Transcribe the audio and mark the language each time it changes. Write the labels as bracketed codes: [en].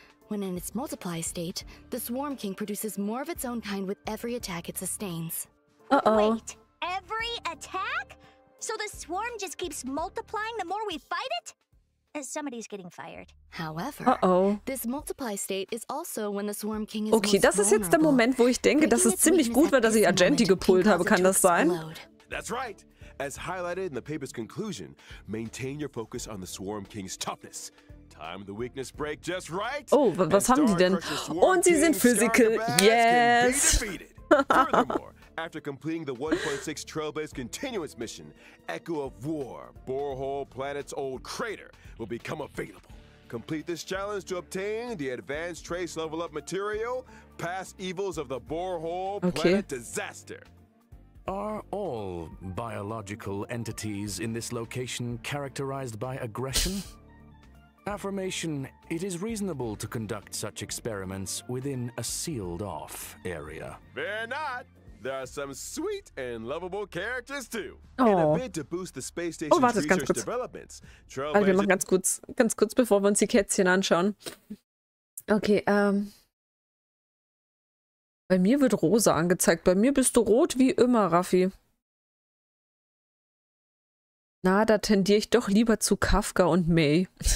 [en] When in its multiply state, the Swarm King produces more of its own kind with every attack it sustains. Uh-oh. Wait, every attack? So the Swarm just keeps multiplying the more we fight it? Somebody's getting fired. However, uh-oh. This multiply state is also when the Swarm King is [de] okay, das ist jetzt der Moment, wo ich denke, dass es ziemlich gut war, dass ich Argenti gepult habe. Kann das sein? [en] That's right. As highlighted in the paper's conclusion, maintain your focus on the Swarm King's toughness. Time the weakness break just right. [de] Oh, was haben die denn? Und sie sind physical. Yes. [en] Furthermore, After completing the 1.6 Trailblaze continuous mission, Echo of War, Borehole Planet's old crater, will become available. Complete this challenge to obtain the advanced trace level up material, past evils of the Borehole Planet disaster. Are all biological entities in this location characterized by aggression? Affirmation, it is reasonable to conduct such experiments within a sealed-off area. They're not! There are some sweet and lovable characters too. Oh. In a bid to boost the space station's research developments. [de] Also, wir machen ganz kurz, bevor wir uns die Kätzchen anschauen. Okay, bei mir wird rosa angezeigt. Bei mir bist du rot wie immer, Raffi. Na, da tendiere ich doch lieber zu Kafka und May.